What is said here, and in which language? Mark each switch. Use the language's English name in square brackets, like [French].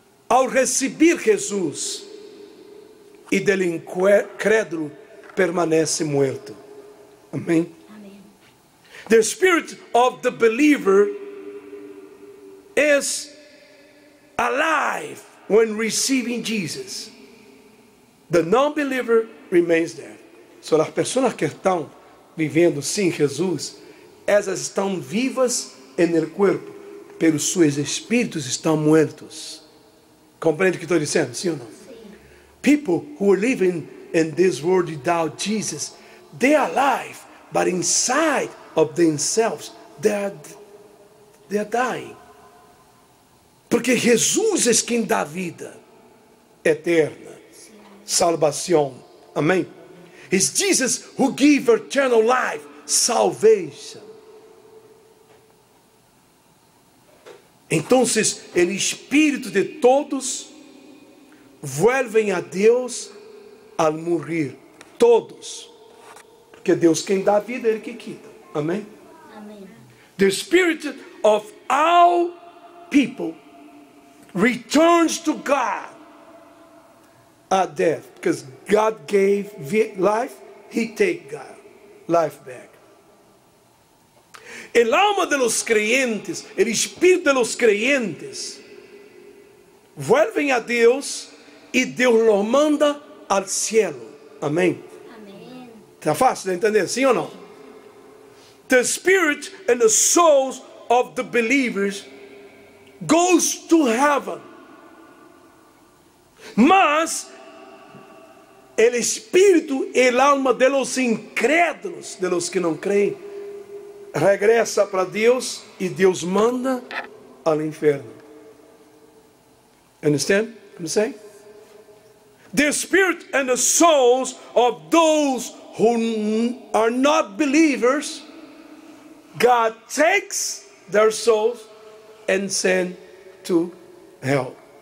[Portuguese] ao receber Jesus, e dele incrédulo permanece morto. Amém? [English] The spirit of the believer is alive when receiving Jesus. The non-believer remains dead. [Portuguese] So, as pessoas que estão vivendo sem Jesus, essas estão vivas em [Spanish] el cuerpo, pero [Portuguese] seus espíritos estão [Spanish] muertos. [Portuguese] Compreende o que estou dizendo? Sim ou não? [English] People who are living in this world without Jesus, they are alive, but inside of themselves, they are dying. [Portuguese] Porque Jesus é quem dá vida eterna, salvação. Amém? [English] It's Jesus who gives eternal life, salvation. [Portuguese] Então, o espírito de todos vuelvem a Deus ao morrer. Todos. Porque Deus quem dá a vida é Ele que quita. Amém? Amém. [English] The spirit of all people returns to God at death. Because God gave life, He take God life back. [Spanish] El alma de los creyentes, el espíritu de los creyentes, vuelven a Dios y Dios los manda al cielo. Amén. Amén. Está fácil de entender, ¿sí o no? [English] The spirit and the souls of the believers goes to heaven. [Spanish] Mas el espíritu y el alma de los incrédulos, de los que no creen, regresa para Dios y Dios manda al infierno. [English] Understand what I'm saying? The spirit and the souls of those who are not believers, God takes their souls and send to hell.